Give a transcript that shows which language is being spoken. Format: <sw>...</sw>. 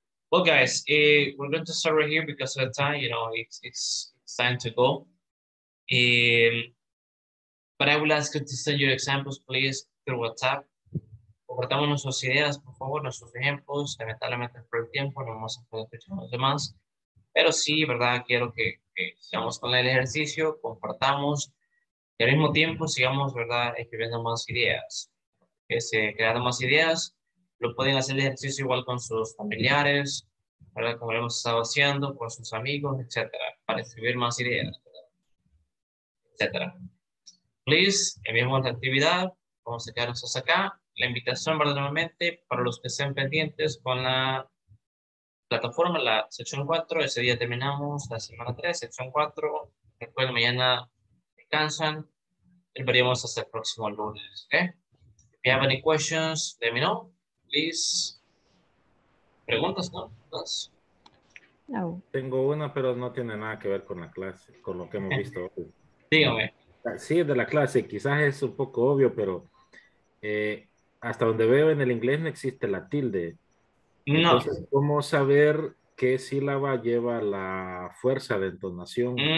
<en>Well, guys, we're going to start right here because of the time. You know, it's time to go. But I will ask you to send your examples, please, through WhatsApp.</en> <es>Compartamos nuestras ideas, por favor, nuestros ejemplos. Lamentablemente, por el tiempo, no vamos a poder escuchar a los demás. Pero sí, ¿verdad? Quiero que sigamos con el ejercicio, compartamos. Y al mismo tiempo, sigamos, ¿verdad?, escribiendo más ideas. Creando más ideas. Lo pueden hacer el ejercicio igual con sus familiares, ¿verdad?, como lo hemos estado haciendo, con sus amigos, etcétera, para escribir más ideas. Etcétera.</es> <en>Please,</en> <es>enviamos la actividad, vamos a quedarnos hasta acá. La invitación, ¿verdad? Nuevamente, para los que sean pendientes con la plataforma, la sección 4, ese día terminamos la semana 3, sección 4. Recuerden, mañana descansan, y veremos hasta el próximo lunes. ¿Eh?</es> <en>If you have any questions, let me know, please.</en> <es>¿Preguntas, no? ¿Dos? No. Tengo una, pero no tiene nada que ver con la clase, con lo que hemos visto hoy. Dígame. Sí, de la clase. Quizás es un poco obvio, pero hasta donde veo en el inglés no existe la tilde. No. Entonces, ¿cómo saber qué sílaba lleva la fuerza de entonación?</es>